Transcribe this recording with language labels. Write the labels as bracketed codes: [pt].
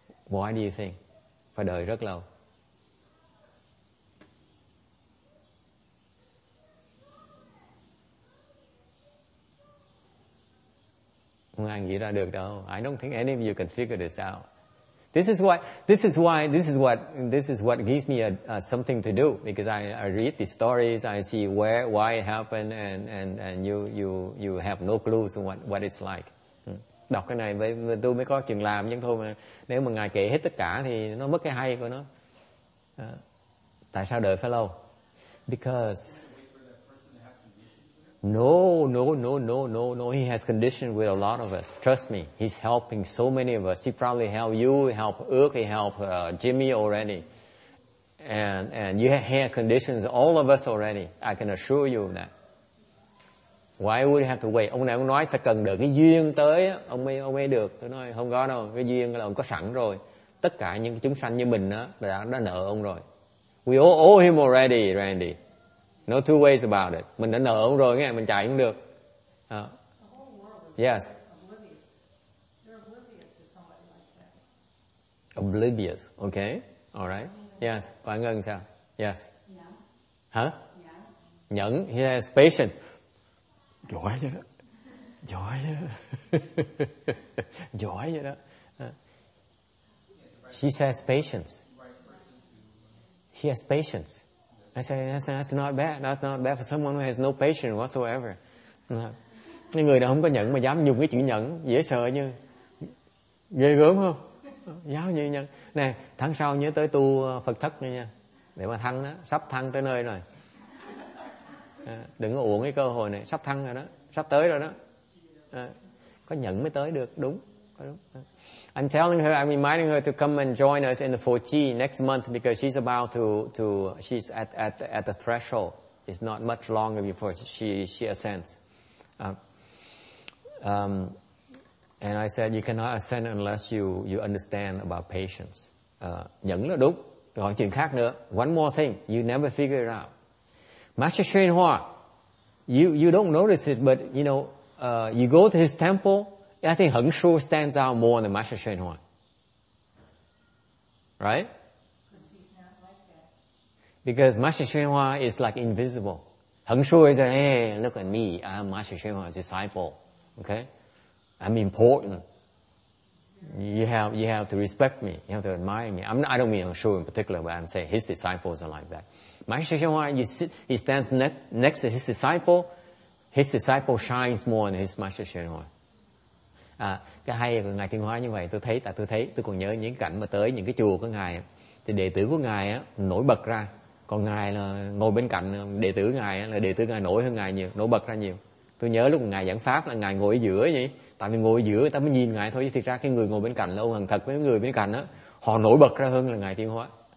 [en] Why do you think? [vi] Phải đợi rất lâu. Không ai nghĩ ra được đâu. [en] I don't think any of you can figure this out. This is what gives me something to do, because I read the stories, I see where, why it happened, and you have no clues on what it's like. [vi] Đọc cái này tôi mới có chuyện làm nhưng thôi, mà nếu mà ngài kể hết tất cả thì nó mất cái hay của nó. Tại sao đợi phải lâu? [en] Because No, he has conditioned with a lot of us. Trust me, he's helping so many of us. He probably helped you, helped Ước, he helped Jimmy already. And you have had conditions, all of us already. I can assure you of that. Why would you have to wait? [vi] Ông này ông nói phải cần đợi cái duyên tới, ông ấy được. Tôi nói không có đâu, cái duyên là ông có sẵn rồi. Tất cả những chúng sanh như mình đã nợ ông rồi. [en] We all owe him already, Randy. No two ways about it. [vi] Mình đã nợ ông rồi, nghe, mình chạy cũng được. [en] The whole world is oblivious. They're oblivious to somebody like that. Oblivious, okay. All right. Yes. [vi] Quả Ngân sao? [en] Yes. [vi] Nhẫn. Hả? Nhẫn. Nhẫn. [en] He has patience. [vi] Giỏi vậy đó. Giỏi vậy đó. Giỏi vậy đó. [en] She has patience. She has patience. I say that's not bad. That's not bad for someone who has no patience whatsoever. [vi] Những người nào không có nhẫn mà dám dùng cái chữ nhẫn dễ sợ như ghê gớm không? Dám như nhẫn. Nè, tháng sau nhớ tới tu Phật thất nha. Để mà thăng đó, sắp thăng tới nơi rồi. Đừng có uổng cái cơ hội này, sắp thăng rồi đó, sắp tới rồi đó. Có nhẫn mới tới được, đúng. [en] I'm telling her, I'm inviting her to come and join us in the 4G next month, because she's about to she's at the threshold. It's not much longer before she ascends. And I said, you cannot ascend unless you understand about patience. [vi] Nhẫn là đúng. Còn chuyện khác nữa. [en] One more thing, you never figure it out. Master Xuyên Hoa, you don't notice it, but you know, you go to his temple. I think Heng Shu stands out more than Master Xuyên Hoa. Right? Because he's not like that. Because Master Xuyên Hoa is like invisible. Heng Shu is like, hey, look at me. I'm Master Xuyên Hoa's disciple. Okay? I'm important. You have to respect me. You have to admire me. I don't mean Heng Shu in particular, but I'm saying his disciples are like that. Master Xuyên Hoa, he stands next to his disciple. His disciple shines more than his Master Xuyên Hoa. [vi] À, cái hay của ngài Thiên Hóa như vậy, tôi thấy tôi còn nhớ những cảnh mà tới những cái chùa của ngài thì đệ tử của ngài á nổi bật ra, còn ngài là ngồi bên cạnh đệ tử ngài á, là đệ tử ngài nổi hơn ngài nhiều, nổi bật ra nhiều. Tôi nhớ lúc ngài giảng pháp là ngài ngồi ở giữa vậy, tại vì ngồi ở giữa người ta mới nhìn ngài thôi, chứ thực ra cái người ngồi bên cạnh là ông Hằng Thật với người bên cạnh á, họ nổi bật ra hơn là ngài Thiên Hóa.